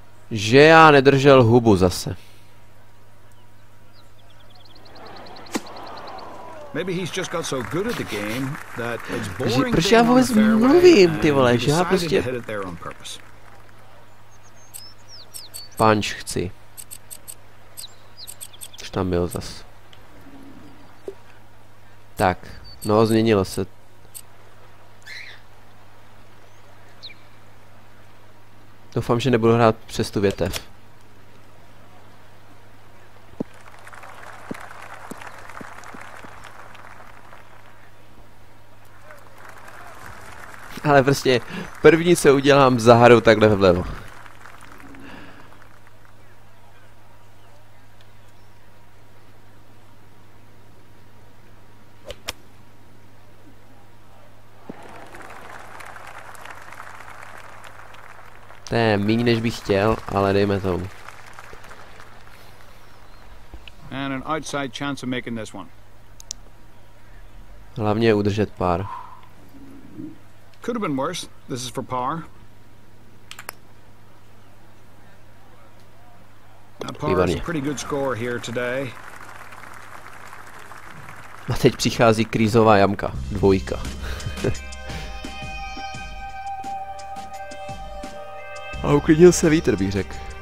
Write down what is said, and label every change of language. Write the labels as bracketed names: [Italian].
[Czech] Že já nedržel hubu zase. [English] Maybe he's just got so good at the game that it's boring. [Czech] Proč já vůbec mluvím, ty vole, že já prostě... Punch chci. Už tam byl zas. Tak, no změnilo se. Doufám, že nebudu hrát přes tu větev. Ale prostě první se udělám za hru takhle vlevo. To je míň, než bych chtěl, ale dejme tomu. [English] And an outside chance of making this one. [Czech] Hlavně udržet par. [English] Could have been worse. This is for par. Par is a pretty good score here today. [Czech] A teď přichází krizová jamka, dvojka. A uklidnil se vítr, bych řekl.